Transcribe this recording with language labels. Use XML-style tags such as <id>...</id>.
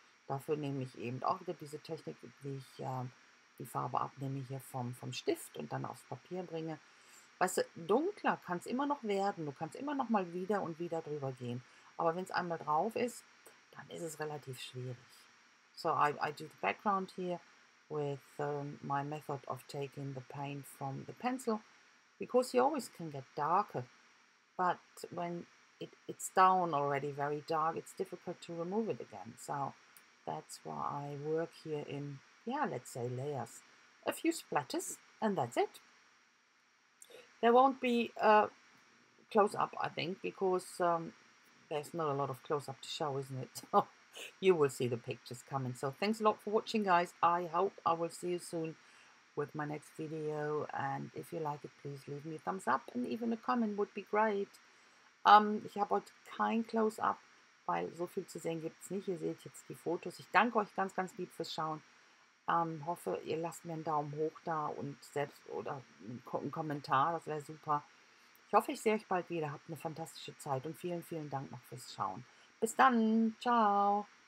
<de>Dafür nehme ich eben auch wieder diese Technik, wie ich die Farbe abnehme hier vom Stift und dann aufs Papier bringe. Weißt du, dunkler kann es immer noch werden. Du kannst immer noch mal wieder und wieder drüber gehen. Aber wenn es einmal drauf ist, dann ist es relativ schwierig.</de> <en>So, I do the background here with my method of taking the paint from the pencil, because you always can get darker. But when it's down already very dark, it's difficult to remove it again. So that's why I work here in, yeah, let's say layers. A few splatters, and that's it. There won't be a close-up, I think, because there's not a lot of close-up to show, isn't it? You will see the pictures coming. So thanks a lot for watching, guys. I hope I will see you soon with my next video. And if you like it, please leave me a thumbs up, and even a comment would be great.</en> <de>Ich habe heute kein Close-up, weil so viel zu sehen gibt es nicht. Ihr seht jetzt die Fotos. Ich danke euch ganz, ganz lieb fürs Schauen. Hoffe, ihr lasst mir einen Daumen hoch da und selbst oder einen Kommentar, das wäre super. Ich hoffe, ich sehe euch bald wieder. Habt eine fantastische Zeit und vielen, vielen Dank noch fürs Schauen. Bis dann. Ciao.</de>